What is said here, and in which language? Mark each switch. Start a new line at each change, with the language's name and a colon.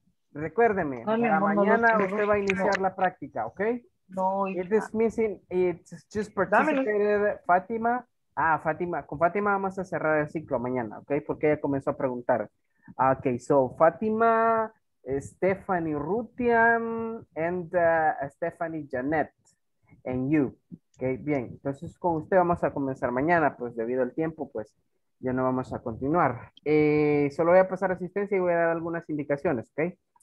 Spanish: Recuérdeme, mañana usted va a iniciar la práctica, ¿ok? No,
English: it is missing, it's just participated, Fátima.
Spanish: Ah, Fátima, con Fátima vamos a cerrar el ciclo mañana, ¿ok? Porque ella comenzó a preguntar.
English: Ok, so Fátima, Stephanie Rutian, and Stephanie Janet, and you.
Spanish: Ok, bien, entonces con usted vamos a comenzar mañana, pues debido al tiempo, pues ya no vamos a continuar. Solo voy a pasar asistencia y voy a dar algunas indicaciones, ¿ok?